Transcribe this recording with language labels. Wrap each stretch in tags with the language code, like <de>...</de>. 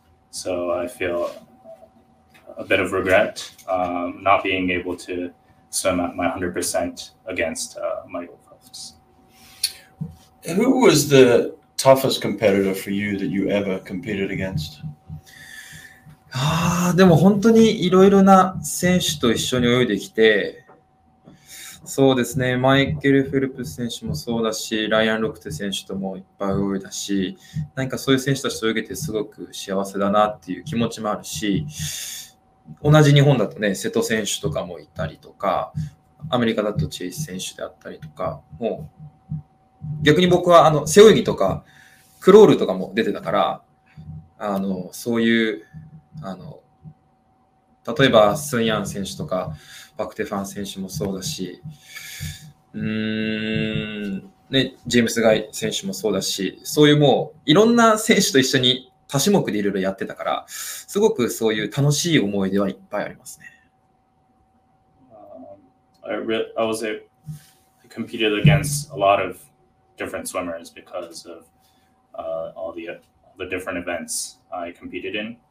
<en>So I feel a bit of regret not being able to swim at my 100% against Michael Phelps. Who was the toughest competitor for you that you ever competed against?</en> <ja>でも本当にいろいろな選手と一緒に泳いできて、そうですね、マイケル・フェルプス選手もそうだし、ライアン・ロクテ選手ともいっぱい泳いだし、なんかそういう選手たちと泳げてすごく幸せだなっていう気持ちもあるし、同じ日本だとね、瀬戸選手とかもいたりとか、アメリカだとチェイス選手であったりとか、もう逆に僕はあの背泳ぎとかクロールとかも出てたから、あのそういうあの例えばスンヤン選手とかバクテファン選手もそうだし、ね、ジェームスガイ選手もそうだし、そういうもういろんな選手と一緒に多種目でいろいろやってたから、すごくそういう楽しい思い出はいっぱいありますね。</ja> <en>I was able to compete against a lot of different swimmers because of all the different events I competed in.</en>